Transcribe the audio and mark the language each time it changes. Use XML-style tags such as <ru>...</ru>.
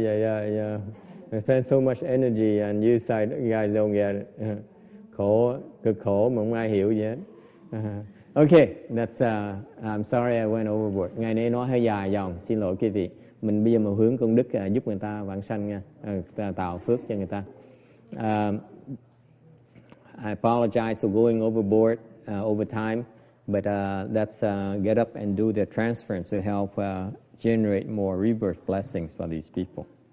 <en>I spend so much energy and you say you guys don't get it.</en> <vi>Khổ, cực khổ mà không ai hiểu gì hết. Okay,</vi> <en>that's I'm sorry I went overboard.</en> <vi>Ngày nay nói hơi dài dòng, xin lỗi quý vị. Mình bây giờ mà hướng công đức giúp người ta vãng sanh nha, tạo phước cho người ta.</vi> <en>I apologize for going overboard over time, but that's get up and do the transference to help generate more rebirth blessings for these people.</en>